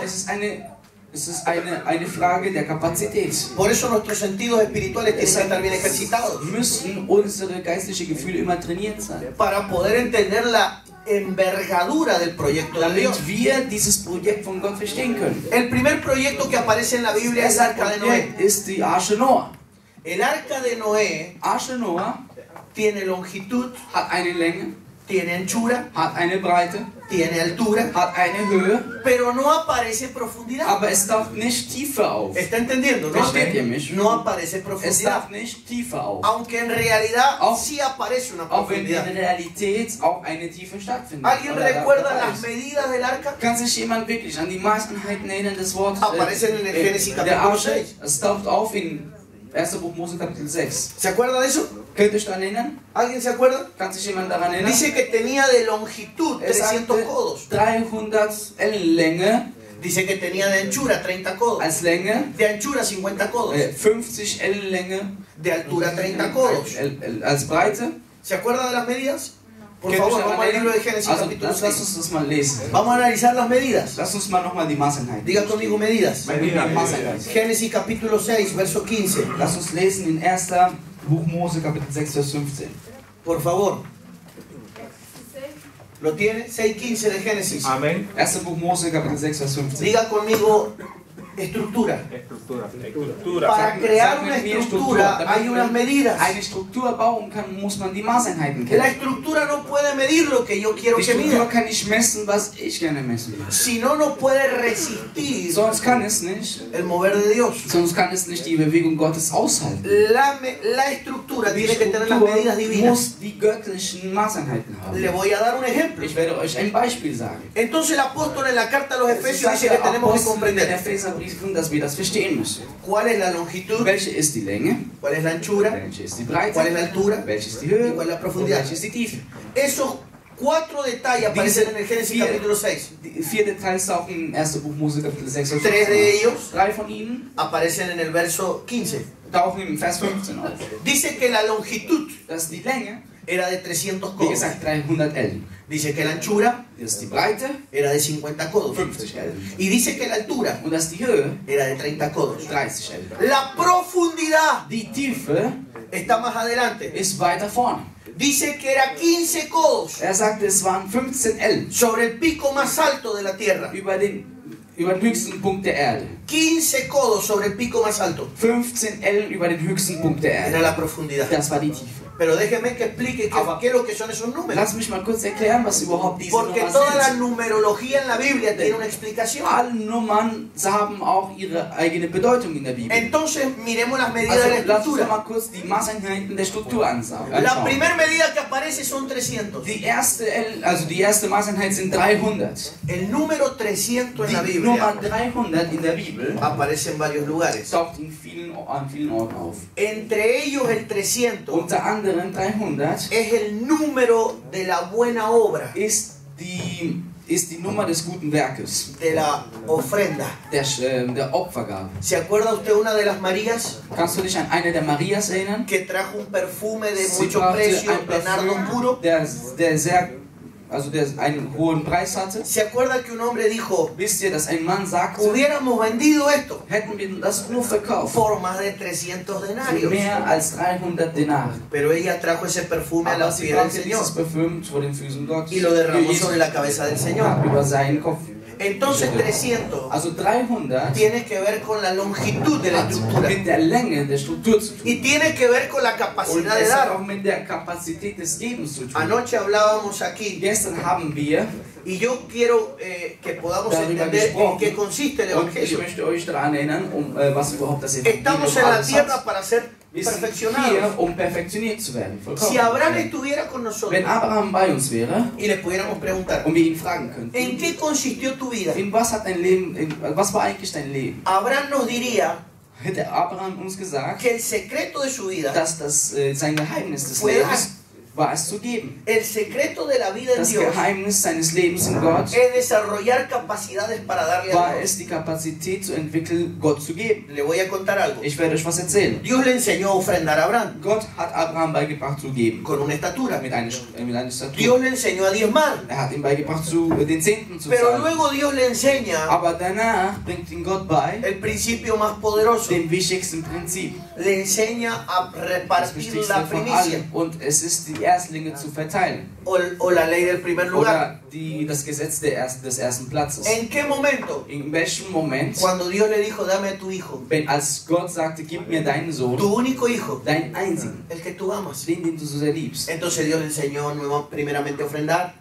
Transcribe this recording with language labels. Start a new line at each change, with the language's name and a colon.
German: Also, es ist eine Frage der Kapazität.
Spanish: Por eso nuestros sentidos espirituales tienen que estar bien ejercitados.
German: Müssen unsere geistlichen Gefühle immer trainiert sein.
Spanish: Para poder entender la envergadura del proyecto de Dios.
German: Wir dieses Projekt von Gott verstehen können.
Spanish: El primer proyecto que aparece en la Biblia es el Arca de Noé.
German: Ist die Arche Noah.
Spanish: El Arca de Noé,
German: Arche Noah,
Spanish: tiene longitud,
German: hat eine Länge,
Spanish: tiene anchura,
German: hat eine Breite,
Spanish: tiene altura,
German: hat eine Höhe,
Spanish: pero no aparece profundidad.
German: Aber es taucht nicht tiefer auf.
Spanish: ¿Está entendiendo?
German: Versteht ihr mich?
Spanish: No aparece profundidad.
German: Es taucht nicht tiefer auf.
Spanish: Aunque en realidad
German: auch,
Spanish: sí aparece una profundidad.
German: Auch wenn in Realität auch eine Tiefe stattfindet.
Spanish: ¿Alguien recuerda las medidas del arca?
German: Kann sich jemand wirklich an die Maßenheiten erinnern des Wortes?
Spanish: Aparecen en el Génesis capítulo 6.
German: Es taucht auf in 1. Buch Mose Kapitel 6.
Spanish: ¿Se acuerda de eso?
German: Könnt ihr euch daran erinnern?
Spanish: ¿Alguien se acuerda?
German: Kann sich jemand daran erinnern?
Spanish: Dice que tenía de longitud 300 codos.
German: 300 en Länge.
Spanish: Dice que tenía de anchura 30 codos.
German: Als Länge.
Spanish: De anchura 50 codos.
German: 50 en Länge.
Spanish: De altura 30 codos.
German: Als Breite.
Spanish: ¿Se acuerda de las medidas? Por favor, vamos al libro de Génesis capítulo 6.
German: Lass uns das mal lesen.
Spanish: Vamos a analizar las medidas.
German: Lass uns mal nochmal die Maßenheit.
Spanish: Diga conmigo medidas. Génesis capítulo 6, verso 15.
German: Lass uns lesen in 1. Buch Mose Kapitel 6, Vers 15.
Spanish: Por favor. ¿Lo tiene? 6:15 de Génesis. Amén.
German: 1. Buch Mose Kapitel 6, Vers 15.
Spanish: Diga conmigo estructura. Estructura. Para crear una estructura hay unas medidas.
German: Eine Struktur bauen kann, muss man die Maßeinheiten kennen.
Spanish: La estructura no puede medir lo que yo quiero que mida.
German: Die Struktur kann nicht messen, was ich gerne messen will.
Spanish: Si no, no puede resistir.
German: Sonst kann es nicht.
Spanish: El mover de Dios.
German: Sonst kann es nicht die Bewegung Gottes aushalten.
Spanish: La estructura tiene que tener las medidas divinas.
German: Muss die göttlichen Maßeinheiten haben.
Spanish: Le voy a dar un ejemplo.
German: Ich werde euch ein Beispiel sagen.
Spanish: Entonces el apóstol en la carta a los Efesios dice que tenemos que comprender.
German: Dass wir das verstehen müssen.
Spanish: ¿Cuál es la longitud?
German: Welche ist die Länge?
Spanish: ¿Cuál es la anchura?
German: Welche ist die Breite?
Spanish: ¿Cuál es la altura?
German: Welche ist die Höhe?
Spanish: ¿Y cuál es la profundidad?
German: Welche ist die Tiefe?
Spanish: Esos cuatro detalles aparecen en el Génesis capítulo 6.
German: Vier Details auch im 1. Buch Mose Kapitel 6.
Spanish: Tres de ellos,
German: drei von ihnen,
Spanish: aparecen en el verso 15.
German: Tauchen im Vers 15 auf.
Spanish: Dice que la longitud,
German: dass die Länge,
Spanish: era de 300 codos.
German: Wie gesagt, 300 ellen.
Spanish: Dice que la anchura,
German: die Breite,
Spanish: era de 50 codos.
German: 50 ellen.
Spanish: Y dice que la altura,
German: und dass die Höhe,
Spanish: era de 30 codos.
German: 30 ellen.
Spanish: La profundidad,
German: die Tiefe,
Spanish: está más adelante.
German: Ist weiter vorne.
Spanish: Dice que era 15 codos.
German: Sagt, es waren 15 ellen.
Spanish: Sobre el pico más alto de la Tierra.
German: Über den höchsten Punkt der Erde.
Spanish: 15 codos sobre el pico más alto.
German: 15 ellen über den höchsten Punkt der Erde.
Spanish: Era la profundidad.
German: Das war die Tiefe.
Spanish: Pero déjeme que explique qué es lo que son esos números.
German: Lass mich mal kurz erklären, was überhaupt diese
Spanish: Porque
German: Nummer
Spanish: toda
German: sind.
Spanish: La numerología en la Biblia tiene una explicación.
German: Alle Nummern haben auch ihre eigene Bedeutung in der Bibel.
Spanish: Entonces, miremos las medidas de la estructura.
German: Lass uns mal kurz die Maßeinheiten der Struktur anschauen.
Spanish: La primera medida que aparece son 300.
German: Die erste Maßeinheit sind 300.
Spanish: El número 300
German: die
Spanish: en la Biblia.
German: Nummer 300 in der Bibel
Spanish: aparece en varios lugares.
German: Taucht an vielen Orten auf.
Spanish: Entre ellos el 300.
German: Unter 300
Spanish: es el número de la buena obra.
German: Ist die Nummer des guten Werkes.
Spanish: De la ofrenda.
German: Der Opfergabe.
Spanish: ¿Se acuerda usted una de las Marías?
German: Kannst du dich an eine der Marias erinnern?
Spanish: Que trajo un perfume de mucho precio, de nardo puro.
German: Der einen hohen Preis hatte.
Spanish: ¿Se acuerda que un hombre dijo?
German: Wisst ihr, dass ein Mann sagte?
Spanish: Hubiéramos vendido esto.
German: Hätten wir das nur verkauft.
Spanish: Por más de 300 denarios.
German: Mehr als 300 Denare.
Spanish: Pero ella trajo ese perfume a los pies del Señor.
German: Dieses Parfüm vor den Füßen Gottes.
Spanish: Y lo derramó sobre la cabeza del Señor.
German: Über seinen Kopf.
Spanish: Entonces 300.
German: Also 300
Spanish: tiene que ver con la longitud de la estructura.
German: Mit der Länge der Struktur zu tun.
Spanish: Y tiene que ver con la capacidad de dar.
German: Auch mit der Kapazität des Gebens zu tun.
Spanish: Anoche hablábamos aquí.
German: Gestern haben wir.
Spanish: Y yo quiero que podamos entender en qué consiste el Evangelio.
German: Ich möchte euch daran erinnern, was überhaupt das Evangelium
Spanish: Estamos en la tierra para ser perfeccionados.
German: Perfektioniert zu werden.
Spanish: Si Abraham estuviera con nosotros,
German: wenn Abraham bei uns wäre,
Spanish: y le pudiéramos preguntar,
German: und wir ihn fragen könnten,
Spanish: ¿en qué consistió tu vida?
German: In was hat dein Leben, in, was war eigentlich dein Leben?
Spanish: Abraham nos diría,
German: hätte Abraham uns gesagt,
Spanish: que el secreto de su vida,
German: dass das sein Geheimnis des Lebens war es zu geben.
Spanish: El secreto de la vida en
German: das
Spanish: Dios
German: Geheimnis seines Lebens in Gott
Spanish: es desarrollar capacidades para darle
German: war es die Kapazität zu entwickeln, Gott zu geben.
Spanish: Le voy a contar algo.
German: Ich werde euch was erzählen.
Spanish: Dios le enseñó a ofrendar a Abraham.
German: Gott hat Abraham beigebracht zu geben.
Spanish: Con una estatura.
German: Mit einer Statur.
Spanish: Dios le enseñó a diezmar.
German: Er hat ihm beigebracht, zu, den Zehnten zu
Spanish: Pero
German: zahlen.
Spanish: Luego Dios le enseña
German: Aber danach bringt ihn Gott bei
Spanish: el principio más poderoso.
German: Den wichtigsten Prinzip.
Spanish: Le enseña a repartir la primicia.
German: Und es ist die Erstlinge zu verteilen.
Spanish: O la ley del primer lugar.
German: Das Gesetz des ersten Platzes.
Spanish: ¿En qué momento?
German: In welchem Moment?
Spanish: Cuando Dios le dijo, dame tu hijo.
German: Wenn, als Gott sagte, gib mir deinen Sohn.
Spanish: Tu único hijo.
German: Dein einzigen.
Spanish: El que tú amas.
German: Den du so sehr liebst.
Spanish: Entonces Dios le enseñó nuevo, primeramente ofrendar.